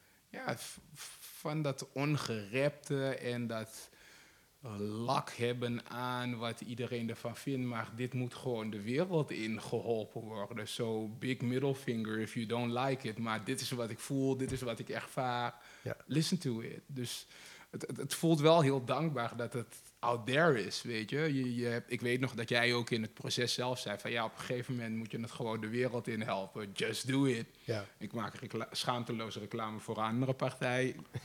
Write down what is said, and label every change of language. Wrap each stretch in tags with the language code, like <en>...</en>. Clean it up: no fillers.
<nl>Ja, van dat ongerepte en dat lak hebben aan wat iedereen ervan vindt. Maar dit moet gewoon de wereld in geholpen worden.</nl> <en>So big middle finger if you don't like it.</en> <nl>Maar dit is wat ik voel, dit is wat ik ervaar.</nl> <en>Yeah. Listen to it.</en> <nl>Dus het voelt wel heel dankbaar dat het</nl> <en>out there</en> <nl>is, weet je. Ik weet nog dat jij ook in het proces zelf zei van... Ja, op een gegeven moment moet je het gewoon de wereld in helpen.</nl> <en>Just do it. Yeah.</en> <nl>Ik maak schaamteloze reclame voor een andere partij.</nl>